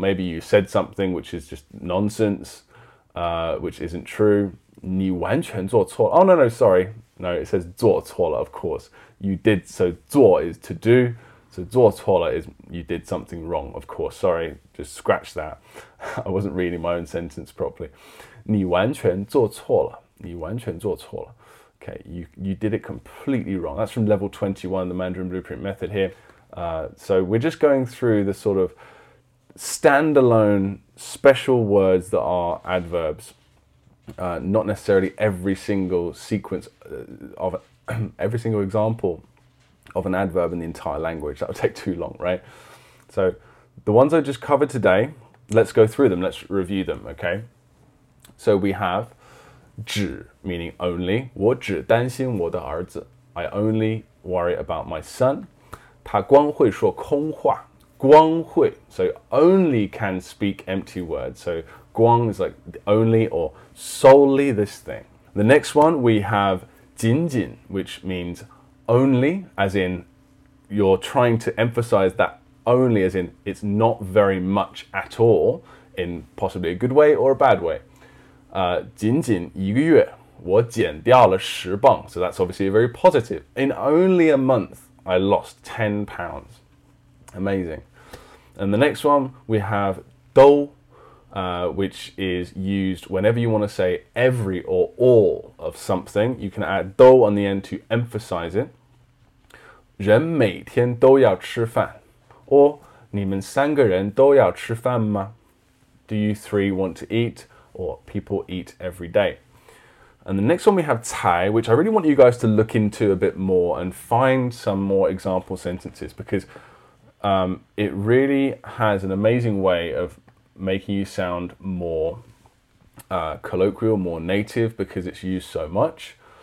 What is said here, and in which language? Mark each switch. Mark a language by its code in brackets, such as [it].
[en] Maybe you said something which is just nonsense, which isn't true. [zh] 你完全做错了. [en] Oh, no, sorry. No, it says 做错了, of course. You did, so 做 is to do. So 做错了 is you did something wrong, of course. Sorry, just scratch that. I wasn't reading my own sentence properly. [zh] 你完全做错了。你完全做错了. [en] Okay, you did it completely wrong. That's from level 21, the Mandarin Blueprint method here. So we're just going through the sort of standalone special words that are adverbs, not necessarily every single sequence of every single example of an adverb in the entire language. That would take too long, right? So the ones I just covered today, let's go through them, let's review them, okay? So we have 只, meaning only. [zh] 我只担心我的儿子. [en] I only worry about my son. [zh] 他光会说空话. [en] 光会, so only can speak empty words. So 光 is like only or solely this thing. The next one we have 仅仅, which means only, as in you're trying to emphasize that only, as in it's not very much at all, in possibly a good way or a bad way. [zh] 仅仅一个月我减掉了十磅. [en] So that's obviously a very positive. In only a month, I lost 10 pounds. Amazing. And the next one we have 都, which is used whenever you want to say every or all of something. You can add 都 on the end to emphasize it. [zh] 人每天都要吃饭. Or 你们三个人都要吃饭吗? [en] Do you three want to eat? Or people eat every day. And the next one we have 才, which I really want you guys to look into a bit more and find some more example sentences, because It really has an amazing way of making you sound more colloquial, more native, because it's used so much.